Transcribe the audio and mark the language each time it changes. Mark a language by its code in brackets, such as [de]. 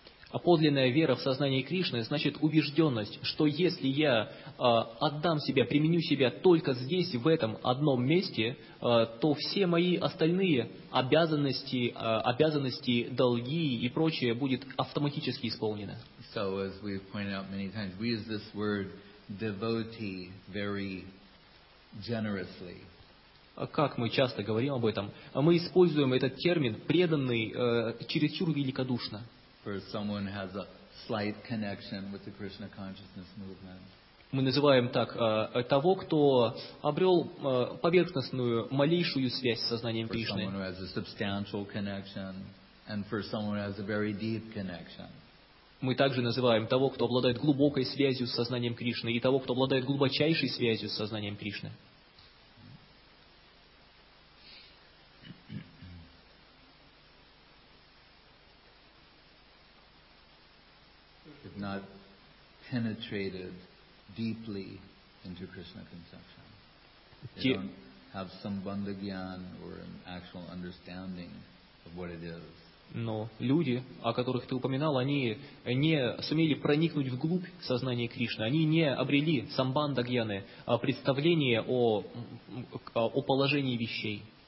[ru] А подлинная вера в сознание Кришны значит убежденность, что если я отдам себя, применю себя только здесь, в этом одном месте, то все мои остальные обязанности, обязанности, долги и прочее будет автоматически исполнено. [en] So, as we've pointed out many times, we use this word devotee very generously. [ru] Как мы часто говорим об этом, мы используем этот термин преданный чересчур великодушно. [en] For someone has a slight connection with the Krishna consciousness movement. [ru] Мы называем так того, кто обрел поверхностную, малейшую связь с сознанием Кришны. [en] For someone who has a substantial connection, and for someone who has a very deep connection. [ru] Мы также называем того, кто обладает глубокой связью с сознанием Кришны, и того, кто обладает глубочайшей связью с сознанием Кришны. [en] Not penetrated deeply into Krishna conception. They don't have some bandhagyan or an actual understanding of what it is. [ru] Но люди, о которых ты упоминал, они не сумели проникнуть вглубь сознания Кришны. Они не обрели самбандагьяны, представление о положении вещей.